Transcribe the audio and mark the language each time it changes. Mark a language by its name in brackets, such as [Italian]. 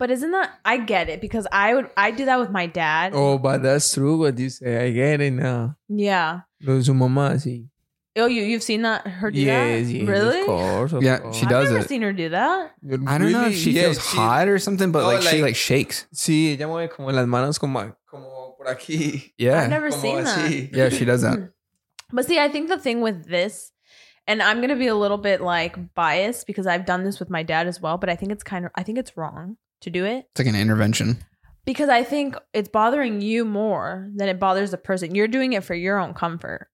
[English] But isn't that, I get it because I do that with my dad. Oh, but that's true what you say. I get it now. Yeah. [Spanish] Los mamá, sí. [English] Oh, you've seen that, her do yes, that? Yes, really? Of course. Yeah, she does it. I've never seen her do that. I don't know if she feels hot or something, but she shakes. [Spanish] Sí, ella mueve como las manos como por aquí. [English] Yeah. I've never seen that. Yeah, she does that. But see, I think the thing with this, and I'm going to be a little bit like biased because I've done this with my dad as well, but I think it's wrong to do it. It's like an intervention. Because I think it's bothering you more than it bothers the person. You're doing it for your own comfort.